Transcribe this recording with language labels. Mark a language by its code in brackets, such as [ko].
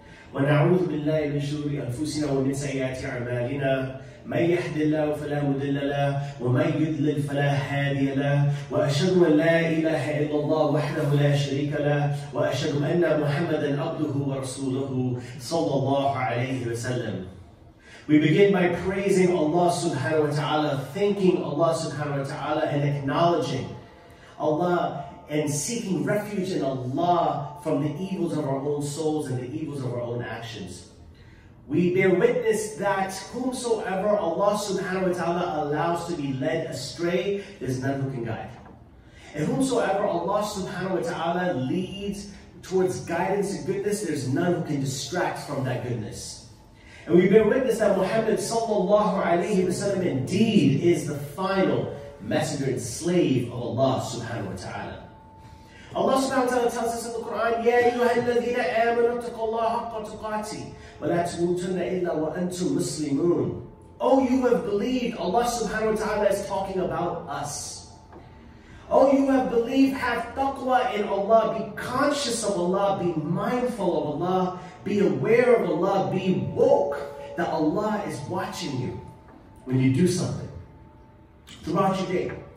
[ar] ونعوذ بالله من شرور أنفسنا ومن سيئات أعمالنا من يهد الله فلا مضل له ومن يضلل فلا هادي له وأشهد أن لا إله إلا الله وحده لا شريك له وأشهد أن محمدا عبده ورسوله صلى الله عليه وسلم. [en] We begin by praising Allah subhanahu wa ta'ala, thanking Allah subhanahu wa ta'ala, and acknowledging Allah and seeking refuge in Allah from the evils of our own souls and the evils of our own actions. We bear witness that whomsoever Allah subhanahu wa ta'ala allows to be led astray, there's none who can guide. And whomsoever Allah subhanahu wa ta'ala leads towards guidance and goodness, there's none who can distract from that goodness. And we bear witness that Muhammad sallallahu alayhi wa sallam indeed is the final messenger and slave of Allah subhanahu wa ta'ala. Allah subhanahu wa ta'ala tells us in the Quran, [ar] يَا أَيُّهَا الَّذِينَ آمَنُوا اتَّقُوا اللَّهَ حَقَّ تُقَاتِي وَلَا تَمُوتُنَّ إِلَّا وَأَنْتُمْ مُسْلِمُونَ. [en] Oh, you have believed, Allah subhanahu wa ta'ala is talking about us. Oh, you have believed, have taqwa in Allah, be conscious of Allah, be mindful of Allah, be aware of Allah, be woke that Allah is watching you when you do something throughout your day.